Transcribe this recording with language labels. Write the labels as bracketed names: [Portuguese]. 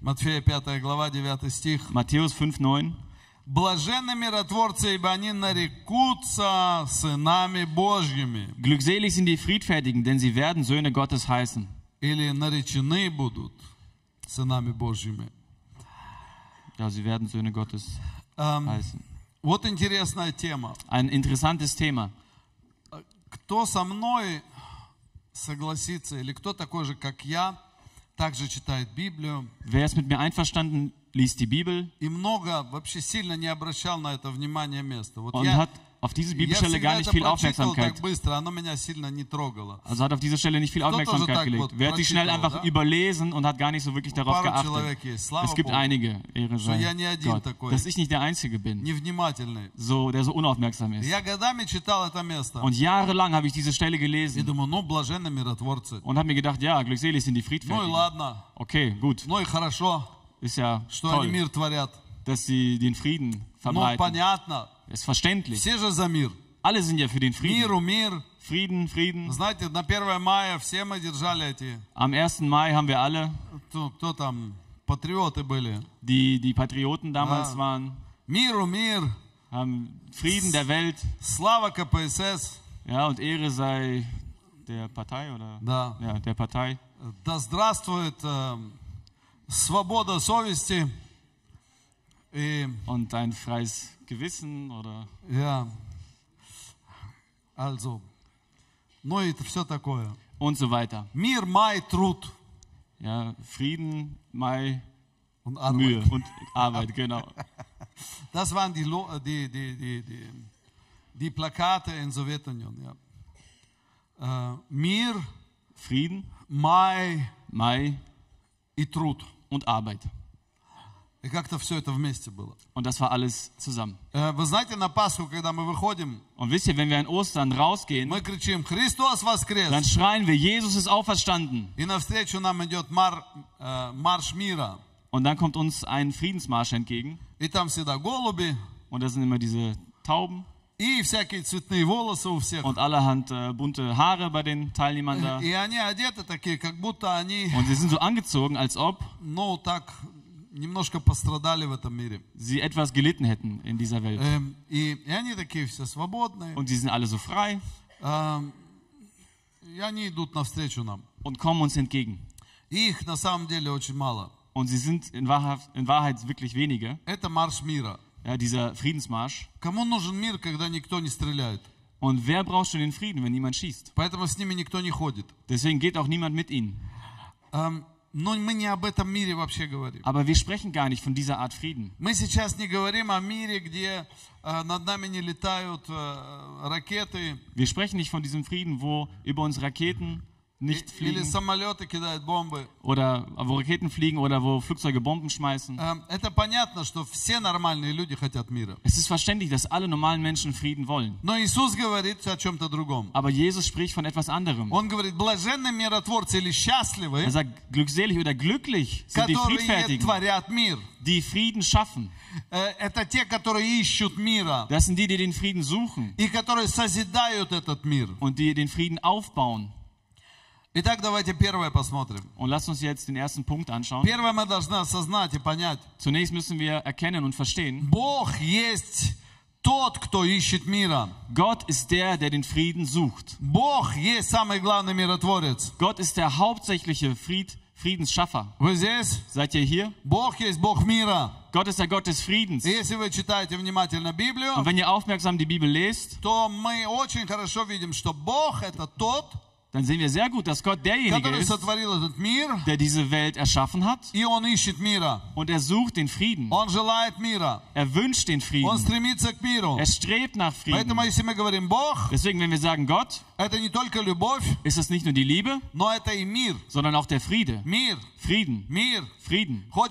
[Russian] Matthäus 5, 9, 9 стих. [German] Matthäus 5, 9. [Russian] Блаженны миротворцы, ибо они нарекутся сынами Божьими. [German] Glückselig sind die Friedfertigen, denn sie werden Söhne Gottes heißen. [Russian] Или наречены будут сынами Божьими. [German] Ja, sie werden Söhne Gottes heißen. [Russian] Вот интересная тема. [German] Ein interessantes Thema. [Russian] Кто со мной согласится или кто такой же, как я, также читает Библию? [German] Wer ist mit mir einverstanden, liest die Bibel? [Russian] И много вообще сильно не обращал на это внимание места. Вот он [German] hat auf diese Bibelstelle gar nicht viel Aufmerksamkeit. [Russian] Так быстро, оно меня сильно не трогало. [German] Also hat auf diese Stelle nicht viel Aufmerksamkeit gelegt. Wer hat die schnell einfach überlesen und hat gar nicht so wirklich darauf geachtet? Es gibt einige, Ehre sei Gott, dass ich nicht der Einzige bin, so, der so unaufmerksam ist. [Russian] Я годами читал это место. [German] Und jahrelang habe ich diese Stelle gelesen. [Russian] Я думаю, ну блаженны миротворцы. [German] Und habe mir gedacht, ja, glückselig sind die Friedfertigen. [Russian] Ну и ладно. [German] Okay, gut. [Russian] Ну и хорошо. [German] Ist ja [Russian] что [German] toll, [Russian] они мир творят. [German] Dass sie den Frieden verbreiten. [Russian] Ну понятно. [German] Ist verständlich. [Russian] Все же за мир. [German] Alle sind ja für den Frieden. [Russian] Миру, мир. [German] Frieden, Frieden. [Russian] Знаете, на 1 мая все мы держали эти. [German] Am 1. Mai haben wir alle. [Russian] Кто там? Патриоты были. [German] Die Patrioten damals ja. waren. [Russian] Миру, мир. [German] Frieden der Welt. [Russian] Слава КПСС. [German] Ja, und Ehre sei der Partei oder da. Ja, der Partei. [Russian] Да здравствует свобода совести. [German] И, und dein freies Gewissen oder ja. Also. [Russian] Ну и всё такое. [German] Und so weiter. [Russian] Мир май труд. [German] Ja, Frieden май und Arbeit. Mühe und Arbeit, genau. Das waren die Plakate in Sowjetunion, ja. [Russian] Мир, [German] Frieden, [Russian] май и труд [German] und Arbeit. [Russian] И как-то всё это вместе было. [German] Und das war alles zusammen. [Russian] Вы знаете, на Пасху, когда мы выходим, [German] und wisst ihr, wenn wir an Ostern rausgehen, [Russian] мы кричим, Христос воскрес! [German] Dann schreien wir, Jesus ist auferstanden. [Russian] И навстречу нам идёт марш мира. [German] Und dann kommt uns ein Friedensmarsch entgegen. [Russian] И там всегда голуби. [German] Und da sind immer diese Tauben. [Russian] И всякие цветные волосы у всех. [German] Und allerhand bunte Haare bei den Teilnehmern da. [Russian] И они одеты такие, как будто они. [German] Und sie sind so angezogen, als ob. [Russian] Ну так немножко пострадали в этом мире. [German] Sie etwas gelitten hätten in dieser Welt. [Russian] И они такие все свободные. [German] Und sie sind alle so frei. [Russian] И они идут навстречу нам. [German] Und kommen uns entgegen. [Russian] Их на самом деле очень мало. [German] Und sie sind in Wahrheit wirklich wenige. [Russian] Это марш мира. [German] Ja, dieser Friedensmarsch. [Russian] Кому нужен мир, когда никто не стреляет? [German] Und wer braucht schon den Frieden, wenn niemand schießt? [Russian] Поэтому с ними никто не ходит. [German] Deswegen geht auch niemand mit ihnen. [Russian] Но мы не об этом мире вообще говорим. [German] Aber wir sprechen gar nicht von dieser Art Frieden. [Russian] Мы сейчас не говорим о мире, где над нами не летают ракеты. [German] Wir sprechen nicht von diesem Frieden, wo über uns Raketen nicht fliegen. [Russian] Или самолеты кидают бомбы. [German] Oder wo Raketen fliegen oder wo Flugzeuge Bomben schmeißen. [Russian] Это понятно, что все нормальные люди хотят мира. [German] Es ist verständlich, dass alle normalen Menschen Frieden wollen. [Russian] Но Иисус говорит о чем-то другом. [German] Aber Jesus spricht von etwas anderem. [Russian] Он говорит, блаженны миротворцы или счастливы. [German] Er sagt, glückselig oder glücklich sind die Friedfertigen. [Russian] Которые творят мир. [German] Die Frieden schaffen. [Russian] Это те, которые ищут мира. [German] Das sind die, die den Frieden suchen. [Russian] И которые созидают этот мир. [German] Und die den Frieden aufbauen. [Russian] Итак, давайте первое посмотрим. [German] Und lass uns jetzt den ersten Punkt anschauen. [Russian] Первое мы должны осознать и понять. [German] Zunächst müssen wir erkennen und verstehen. [Russian] Бог есть тот, кто ищет мира. [German] Gott ist der den Frieden sucht. [Russian] Бог есть самый главный миротворец. [German] Gott ist der hauptsächliche Friedensschaffer. [Russian] Вы здесь? [German] Seid ihr hier? [Russian] Бог есть Бог мира. [German] Gott ist der Gott des Friedens. [Russian] Если вы читаете внимательно Библию, [German] und wenn ihr aufmerksam die Bibel lest, [Russian] то мы очень хорошо видим, что Бог это тот, [German] dann sehen wir sehr gut, dass Gott derjenige ist, der diese Welt erschaffen hat. Und er sucht den Frieden. Er wünscht den Frieden. Er strebt nach Frieden. Deswegen, wenn wir sagen Gott, ist es nicht nur die Liebe, sondern auch der Friede. Frieden. Frieden.